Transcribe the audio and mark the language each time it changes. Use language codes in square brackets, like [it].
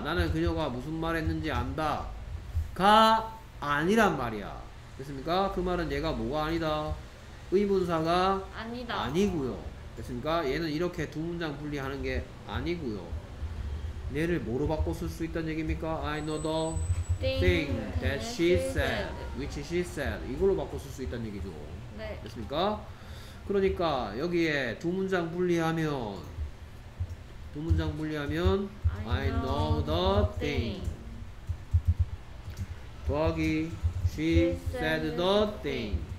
[ko] 나는 그녀가 무슨 말 했는지 안다. 가 아니란 말이야. 됐습니까? 그 말은 얘가 뭐가 아니다? 의문사가 아니다. 아니고요. 됐습니까? 얘는 이렇게 두 문장 분리하는 게 아니고요. 얘를 뭐로 바꿔 쓸 수 있다는 얘기입니까? [en] I know the thing that she said, which she said. [ko] 이걸로 바꿔 쓸 수 있다는 얘기죠. 네. 됐습니까? 그러니까 여기에 두 문장 분리하면 두 문장 분리하면 [en] I know the thing. [ko] 더하기 [en] she said the thing.